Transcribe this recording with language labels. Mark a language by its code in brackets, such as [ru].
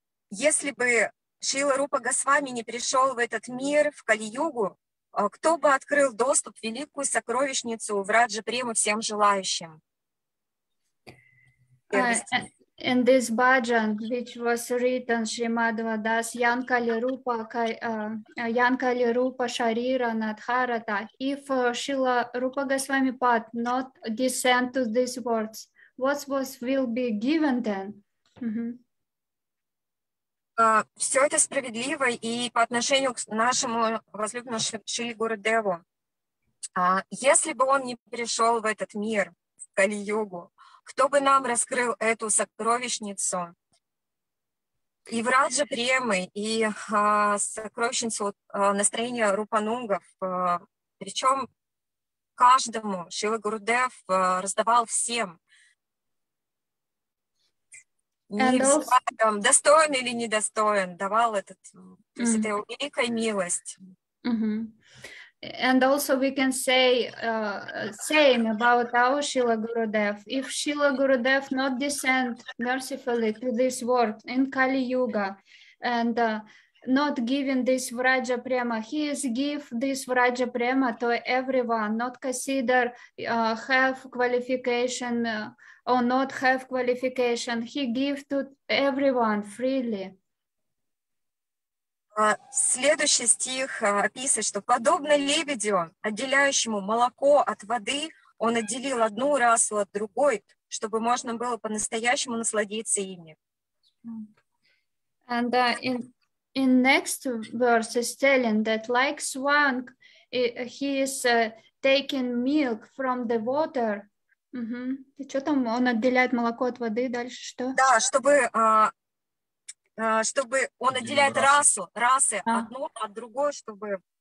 [ru] Если бы Srila Rupa Goswami не пришел в этот мир, в Кали-Югу, кто бы открыл доступ в великую сокровищницу в Раджа-Прему всем желающим? [en] In this bhajan, which was written Shrimadva Das, Yankali Rupa Sharira Nadharata, if Srila Rupa Goswami Pad not descend to these words, what was will be given then? [ru] Все это справедливо и по отношению к нашему возлюбленному Шриле Гурудеву. Если бы он не пришел в этот мир, в Кали-Югу, кто бы нам раскрыл эту сокровищницу и в Раджа Премы, и сокровищницу настроения рупанунгов. Причем каждому Шрила Гурудев раздавал всем, взглядом, достоин или недостоин, давал этот, то есть это великая милость. Mm-hmm. [en] And also we can say same about our Srila Gurudev. If Srila Gurudev not descend mercifully to this world in Kali Yuga and not giving this Vraja Prema, he is give this Vraja Prema to everyone, not consider have qualification or not have qualification. He give to everyone freely. [ru] Следующий стих описывает, что подобно лебедю, отделяющему молоко от воды, он отделил одну расу от другой, чтобы можно было по-настоящему насладиться ими. [en] And in next verse is telling that like swan, he is taking milk from the water. [ru] Угу. Что там? Он отделяет молоко от воды. Дальше что? Да, чтобы чтобы он отделяет расу, расы одну от другой, чтобы